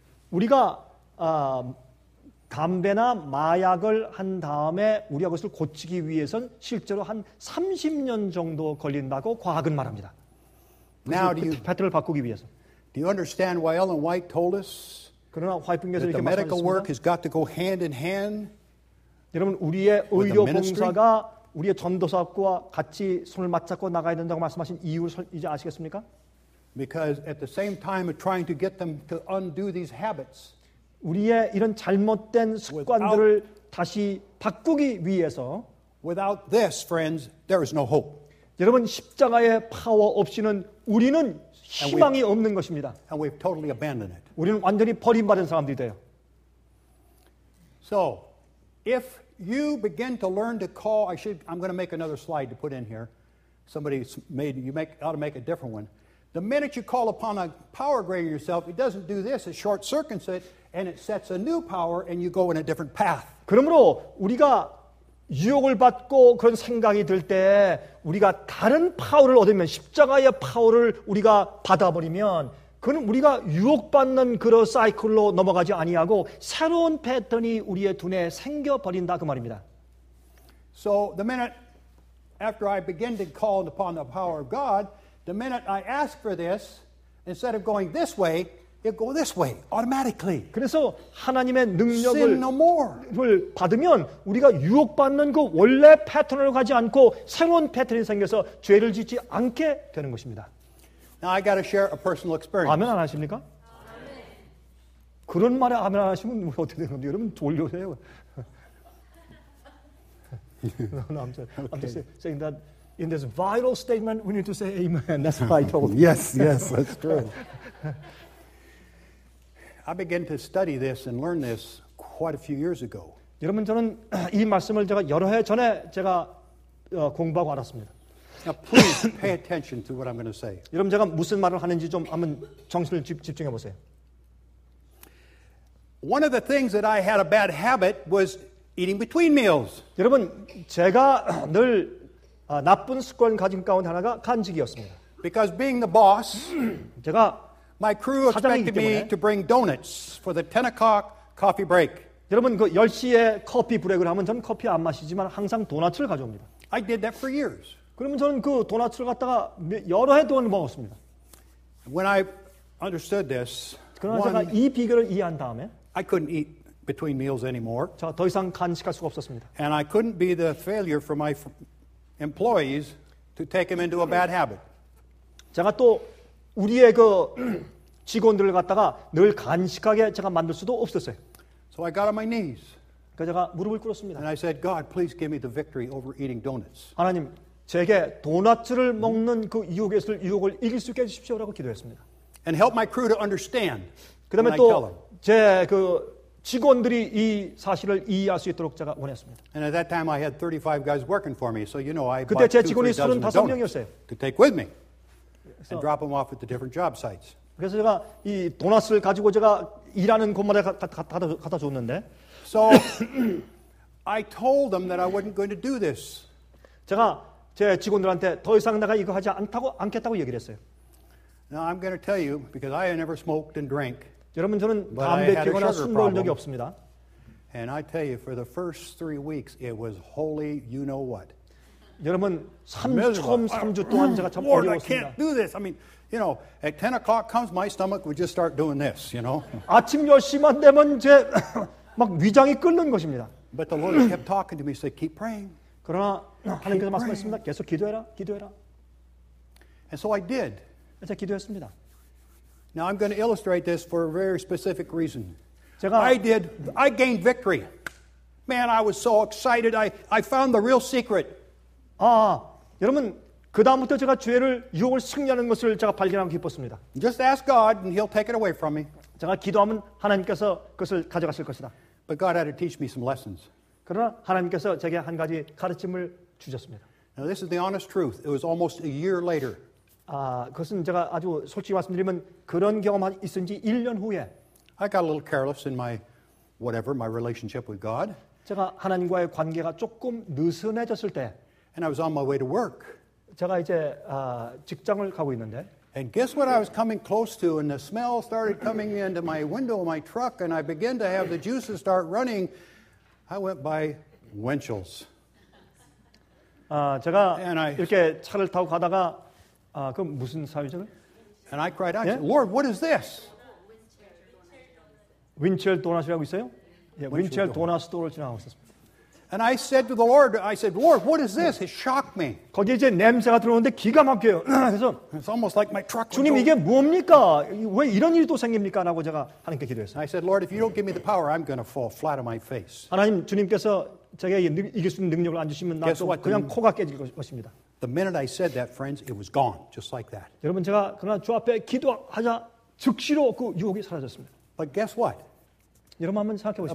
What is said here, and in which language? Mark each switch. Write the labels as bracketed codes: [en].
[ko] 우리가 담배나 마약을 한 다음에 우리가 그것을 고치기 위해선 실제로 한 30년 정도 걸린다고 과학은 말합니다. [en] Now, do you, [ko] 패턴을 바꾸기 위해서. [en] Do you understand why Ellen White told us [ko] 그러나 화이트님께서 [en] that the medical work has got to go hand in hand? [ko] 여러분, 우리의 의료 봉사가 우리의 전도사업과 같이 손을 맞잡고 나가야 된다고 말씀하신 이유를 이제 아시겠습니까? [en] Because at the same time of trying to get them to undo these habits, [ko] 우리의 이런 잘못된 습관들을 [en] without, [ko] 다시 바꾸기 위해서, [en] without this, friends, there is no hope. [ko] 여러분 십자가의 파워 없이는 우리는 희망이 없는 것입니다. [en] And we've totally abandoned it. [ko] 우리는 완전히 버림받은 사람들이 돼요. [en] So, if you begin to learn to call, I'm going to make another slide to put in here. Ought to make a different one. The minute you call upon a power greater yourself, it doesn't do this. It short circuits it, and it sets a new power, and you go in a different path. [ko] 그러므로 우리가 유혹을 받고 그런 생각이 들 때 우리가 다른 파워를 얻으면 십자가의 파워를 우리가 받아버리면 그건 우리가 유혹받는 그런 사이클로 넘어가지 아니하고 새로운 패턴이 우리의 두뇌에 생겨버린다 그 말입니다. [en] So the minute after I begin to call upon the power of God, the minute I ask for this, instead of going this way, it go this way automatically. [ko] 그래서 하나님의 능력을 받으면 우리가 유혹받는 그 원래 패턴으로 가지 않고 새로운 패턴이 생겨서 죄를 짓지 않게 되는 것입니다. [en] Now I got to share a personal experience. [ko] 아멘 안 하십니까? 아멘. 그런 말에 아멘 안 하시면 어떻게 되는 건데 여러분 돌려세요. [en] I'm just saying that in this vital statement we need to say amen. That's what I told you. Yes, that's true. I began to study this and learn this quite a few years ago. [ko] 여러분 저는 이 말씀을 제가 여러 해 전에 제가 공부하고 알았습니다. [en] Now please pay attention to what I'm going to say. [ko] 여러분 제가 무슨 말을 하는지 좀 한번 정신을 집중해 보세요. [en] One of the things that I had a bad habit was eating between meals. [ko] 여러분 제가 늘 나쁜 습관 가진 가운데 하나가 간식이었습니다. [en] Because being the boss, [ko] 제가 [en] My crew expected me to bring donuts for the 10 o'clock coffee break. [ko] 여러분 그 10시에 커피 브레이크를 하면 저는 커피 안 마시지만 항상 도넛을 가져옵니다. [en] I did that for years. [ko] 그러면 저는 그 도넛을 갖다가 여러 해 동안 먹었습니다. [en] When I understood this, [ko] 그러나 제가 이 비결을 이해한 다음에 [en] I couldn't eat between meals anymore. [ko] 저 더 이상 간식할 수가 없었습니다. [en] And I couldn't be the failure for my employees to take them into a bad habit. [ko] 제가 또 우리의 그 직원들을 갖다가 늘 간식하게 제가 만들 수도 없었어요. [en] So I got on my knees. [ko] 그래서 제가 무릎을 꿇었습니다. [en] And I said, God, please give me the victory over eating donuts. [ko] 하나님, 제게 도넛을 먹는 그 유혹을 이길 수 있게 해주십시오라고 기도했습니다. [en] And help my crew to understand. [ko] 그다음에 또 제 그 직원들이 이 사실을 이해할 수 있도록 제가 원했습니다. [en] And at that time I had 35 guys working for me, so you know I. [ko] 그때 제 직원이 35명이었어요. [en] To take with me. And drop them off at the different job sites. [ko] 그래서 제가 이 도넛을 가지고 제가 일하는 곳마다 갖다 줬는데. [en] So I told them that I wasn't going to do this. [ko] 제가 제 직원들한테 더 이상 내가 이거 하지 않겠다고 얘기를 했어요. [en] Now I'm going to tell you because I never smoked and drank. [ko] 여러분 저는 담배 피거나 술 먹은 적이 없습니다. [en] And I tell you, for the first 3 weeks, it was holy. You know what? [ko] 여러분 3주 동안 제가 참 어려웠습니다. [en] Lord, I can't do this. I mean, you know, at 10 o'clock comes my stomach would just start doing this, you know. [ko] 아침 10시만 되면 제 막 위장이 끓는 것입니다. [en] But the Lord kept talking to me, said, "Keep praying." [ko] 그러나 하나님께서 말씀하십니다. 계속 기도해라, 기도해라. [en] And so I did. [ko] 제가 기도했습니다. [en] Now I'm going to illustrate this for a very specific reason. I did. I gained victory. Man, I was so excited. I found the real secret. [ko] 아, 여러분 그 다음부터 제가 죄를 유혹을 승리하는 것을 제가 발견하고 기뻤습니다. [en] Just ask God, and He'll take it away from me. [ko] 제가 기도하면 하나님께서 그것을 가져가실 것이다. [en] But God had to teach me some lessons. [ko] 그러나 하나님께서 제게 한 가지 가르침을 주셨습니다. [en] Now this is the honest truth. It was almost a year later. [ko] 아, 그것은 제가 아주 솔직히 말씀드리면 그런 경험이 있은 지 1년 후에 [en] I got a little careless in my whatever, my relationship with God. [ko] 제가 하나님과의 관계가 조금 느슨해졌을 때 [en] And I was on my way to work. [ko] 제가 이제 직장을 가고 있는데 [en] And guess what I was coming close to and the smell started coming into my window of my truck and I began to have the juices start running. I went by Winchell's. [ko] 아, 제가 이렇게 차를 타고 가다가 아, 그 무슨 사유죠? [en] And I cried out, yeah? "Lord, what is this?" [ko] 윈첼 도넛이라고 있어요? 예, 윈첼 도넛 스토어를 지나가고 있었습니다. [en] And I said to the Lord, I said, "Lord, what is this?" It shocked me. [ko] 거기에 이제 냄새가 들어오는데 기가 막혀요. 그래서 [en] It's almost like my truck. [ko] 주님, 이게 뭡니까? 왜 이런 일이 또 생깁니까? 라고 제가 하나님께 기도했어요. [en] I said, "Lord, if you don't give me the power, I'm going to fall flat on my face." [ko] 하나님, 주님께서 제가 이길 수 있는 능력을 안 주시면 나도 그냥 코가 깨질 것입니다. [en] The minute I said that, friends, it was gone, just like that. [ko] 여러분, 제가 그러나 주 앞에 기도하자 즉시로 그 유혹이 사라졌습니다. [en] But guess what? [ko] 여러분 한번 생각해 보십시오.